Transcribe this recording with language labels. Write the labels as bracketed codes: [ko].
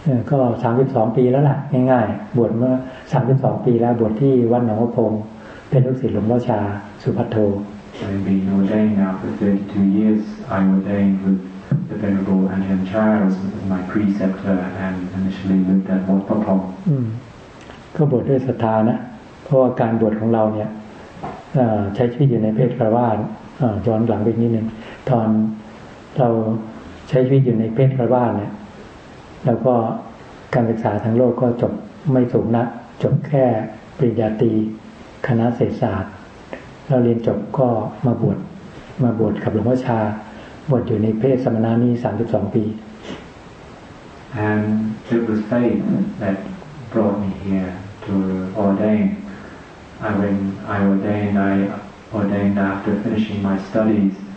[th] ก็32ปีแล้วล่ะง่ายๆบวชเมื่อ32ปีแล้วบวชที่วัดหนองพงเป็นลูกศิษย์หลวงพ่อชาสุภัทโธ [en] I've been ordained now for 32 years. I ordained with the Venerable Anjan Charles, my preceptor, and initially lived at Wat Pa Phong. [th] ก็บวชด้วยศรัทธานะเพราะว่าการบวชของเราเนี่ยใช้ชีวิตอยู่ในเพศคฤหัสถ์ย้อนหลังไปนิดนึงตอนเราใช้ชีวิตอยู่ในเพศคฤหัสถ์เนี่ยแล้วก็การศึกษาทั้งโลกก็จบไม่สูงนักจบแค่ปริญญาตรีคณะเศรษฐศาสตร์เราเรียนจบก็มาบวชกับหลวงพ่อชาบวชอยู่ในเพศสมณะนี้32ปี [en] And it was faith that brought me here to ordain. I ordained after finishing my studies.